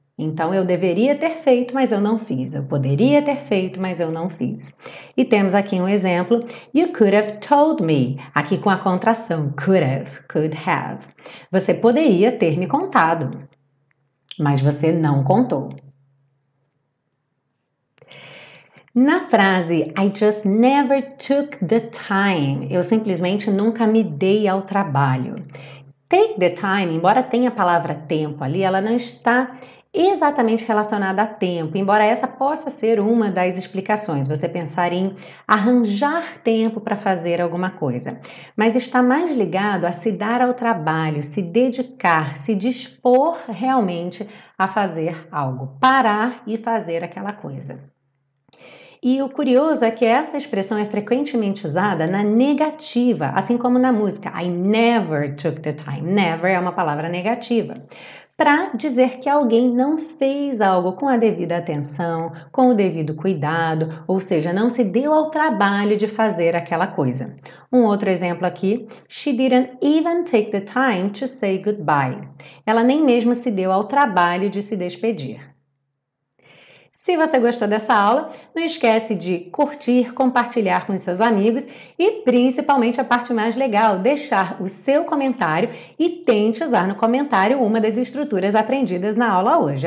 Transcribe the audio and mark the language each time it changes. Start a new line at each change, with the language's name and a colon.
Portuguese: Então, eu deveria ter feito, mas eu não fiz. Eu poderia ter feito, mas eu não fiz. E temos aqui um exemplo.
English: You could have told me.
Portuguese: Aqui com a contração.
English: Could have. Could have.
Portuguese: Você poderia ter me contado, mas você não contou. Na frase,
English: I just never took the time.
Portuguese: Eu simplesmente nunca me dei ao trabalho. Take the time, embora tenha a palavra tempo ali, ela não está exatamente relacionada a tempo, embora essa possa ser uma das explicações, você pensar em arranjar tempo para fazer alguma coisa, mas está mais ligado a se dar ao trabalho, se dedicar, se dispor realmente a fazer algo, parar e fazer aquela coisa. E o curioso é que essa expressão é frequentemente usada na negativa, assim como na música,
English: I never took the time,
Portuguese: never é uma palavra negativa, para dizer que alguém não fez algo com a devida atenção, com o devido cuidado, ou seja, não se deu ao trabalho de fazer aquela coisa. Um outro exemplo aqui,
English: she didn't even take the time to say goodbye.
Portuguese: Ela nem mesmo se deu ao trabalho de se despedir. Se você gostou dessa aula, não esquece de curtir, compartilhar com seus amigos e principalmente a parte mais legal, deixar o seu comentário e tente usar no comentário uma das estruturas aprendidas na aula hoje.